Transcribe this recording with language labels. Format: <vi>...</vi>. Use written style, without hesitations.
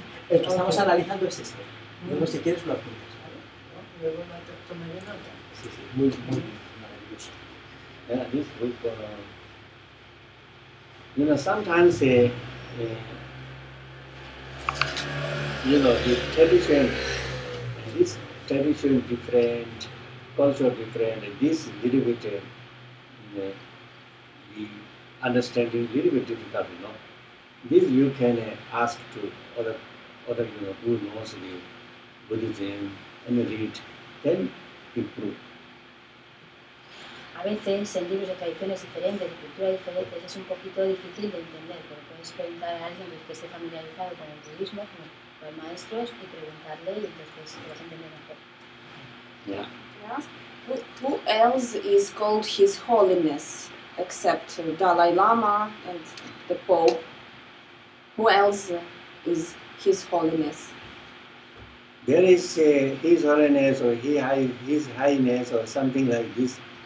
<es>El que estamos analizando es este. Luego, si quieres, lo apuntas, ¿vale? Luego tomaré nota. Sí, sí, muy, muy maravilloso.</es> <en>This book, you know, sometimes, you know, the tradition, this tradition different, culture different, this little bit, the understanding little bit difficult, you know. This you can ask to other, you know, who knows the Buddhism and read, then improve.</en> <es>A veces en libros de tradiciones diferentes, de culturas diferentes, es un poquito difícil de entender, pero puedes preguntar a alguien que esté familiarizado con el budismo, con los maestros, y preguntarle, y entonces lo vas a entender mejor.</es> <en>Yeah. Who else is called His Holiness, except Dalai Lama and the Pope? Who else is His Holiness? There is His Holiness, or His Highness, or something like this.</en>